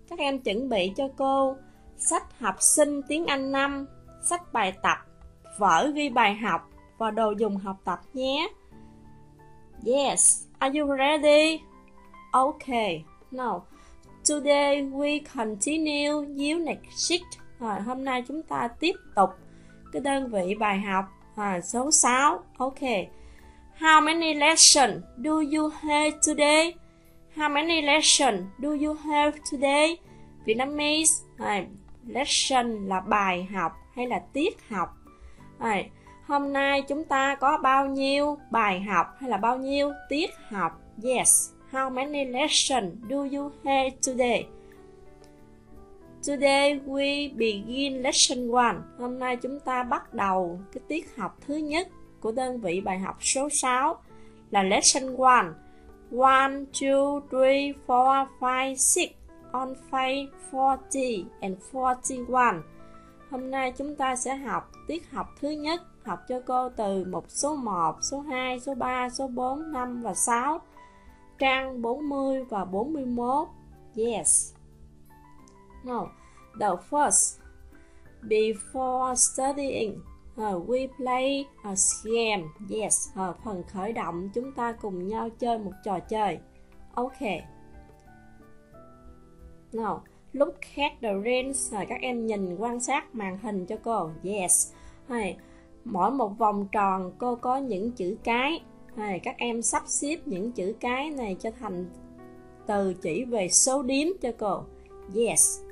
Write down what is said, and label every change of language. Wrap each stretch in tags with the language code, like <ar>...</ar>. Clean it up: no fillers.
<vi>Các em chuẩn bị cho cô sách học sinh tiếng Anh 5, sách bài tập, vở ghi bài học và đồ dùng học tập nhé.</vi> <en>Yes, are you ready? Okay, now today we continue unit 6.</en> <vi>Hôm nay chúng ta tiếp tục cái đơn vị bài học số 6.</vi> <en>Okay, how many lessons do you have today? How many lessons do you have today?</en> <vi>Vietnamese, lesson là bài học hay là tiết học. Hôm nay chúng ta có bao nhiêu bài học hay là bao nhiêu tiết học?</vi> <en>Yes, how many lessons do you have today? Today we begin lesson 1.</en> <vi>Hôm nay chúng ta bắt đầu cái tiết học thứ nhất của đơn vị bài học số 6 là lesson 1.</vi> <en>1, 2, 3, 4, 5, 6 on page 40 and 41.</en> <vi>Hôm nay chúng ta sẽ học tiết học thứ nhất. Học cho cô từ mục số 1, số 2, số 3, số 4, 5 và 6, trang 40 và 41. Yes. No.</vi> <en>The first, before studying, we play a game.</en> <vi>Yes, phần khởi động chúng ta cùng nhau chơi một trò chơi. Okay. No.</vi> <en>Look at the rings.</en> <vi>Các em nhìn quan sát màn hình cho cô. Yes. Hey. Mỗi một vòng tròn cô có những chữ cái. Các em sắp xếp những chữ cái này cho thành từ chỉ về số đếm cho cô. Yes.</vi>